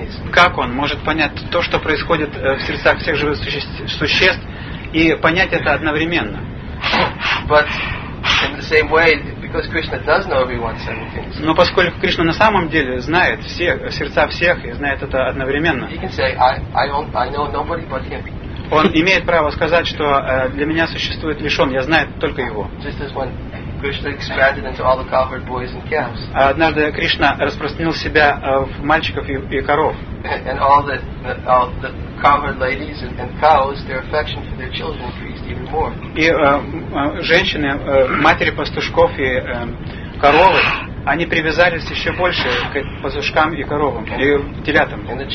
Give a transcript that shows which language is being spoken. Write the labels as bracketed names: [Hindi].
[Russian] Как он может понять то, что происходит в сердцах всех живых существ, и понять это одновременно? [English] But in the same way, because Krishna does know everyone simultaneously. [Russian] Но поскольку Кришна на самом деле знает всех, сердца всех и знает это одновременно. [English] He can say, I know nobody but him. [Russian] Он имеет право сказать, что для меня существует лишь он, я знаю только его. [English] Just as when Krishna expanded into all the cowherd boys and calves. [Russian] Однажды Кришна распространил себя в мальчиков и коров. [English] And all the cowherd ladies and cows, their affection for their children increased. [Russian] И женщины, матери пастушков и коровы, они привязались еще больше к пастушкам и коровам, и телятам.